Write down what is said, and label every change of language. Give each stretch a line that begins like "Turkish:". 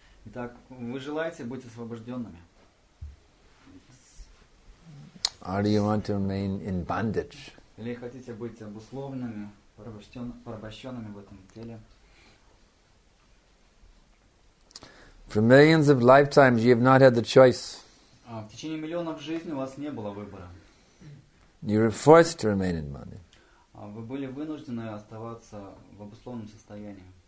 Russian: Итак, вы желаете быть освобожденными?
English: Or do you want to remain in bondage?
Russian: Или хотите быть обусловленными, порабощенными в этом теле?
English: For millions of lifetimes, you have not had the choice.
Russian: В течение миллионов жизней у вас не было выбора.
English: You were forced to remain in money.
Russian: Вы были вынуждены оставаться в обусловленном состоянии.